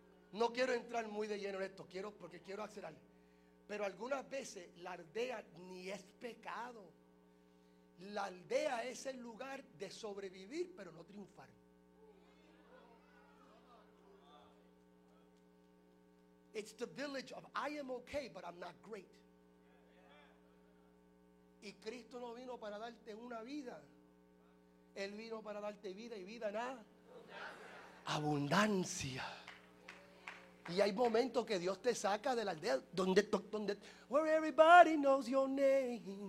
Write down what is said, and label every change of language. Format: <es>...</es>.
<es>No quiero entrar muy de lleno en esto, quiero hacer algo. Pero algunas veces la aldea ni es pecado. La aldea es el lugar de sobrevivir, pero no triunfar.</es> <en>It's the village of I am okay, but I'm not great.</en> <es>Y Cristo no vino para darte una vida. Él vino para darte vida y vida nada. abundancia. Y hay momentos que Dios te saca de la aldea donde</es> <en>where everybody knows your name.</en>